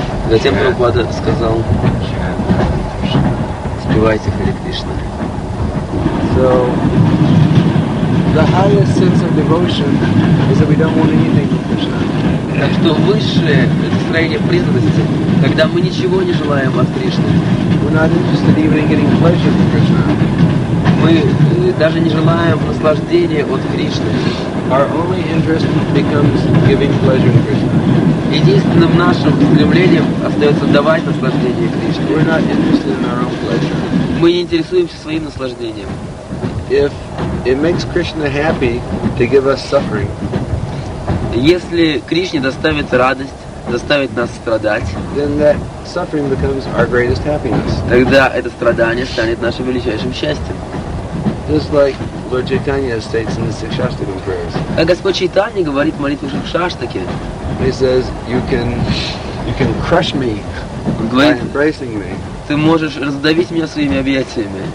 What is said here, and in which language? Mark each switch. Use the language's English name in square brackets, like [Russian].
[Russian] Затем Прабхупада сказал, спевайте Харе Кришна. [English] So the highest sense of devotion is that we don't want anything from Krishna. [Russian] Так что высшее настроение преданности, когда мы ничего не желаем от Кришны. [English] We're not interested even in getting pleasure from Krishna. [Russian] Мы даже не желаем наслаждения от Кришны. [English] Our only interest becomes giving pleasure to Krishna. [Russian] Единственным нашим стремлением остается давать наслаждение Кришне. [English] We're not interested in our own pleasure. [Russian] Мы не интересуемся своим наслаждением. [English] If it makes Krishna happy to give us suffering, [Russian] если Кришне доставит радость, заставит нас страдать, [English] then that suffering becomes our greatest happiness. [Russian] Тогда это страдание станет нашим величайшим счастьем. [English] Just like Lord Chaitanya states in the Shikshastakam prayers. [Russian] А Господь Чайтанья говорит в молитве Шикшаштаки. [English] He says, you can crush me by embracing me. [Russian] Ты можешь раздавить меня своими объятиями.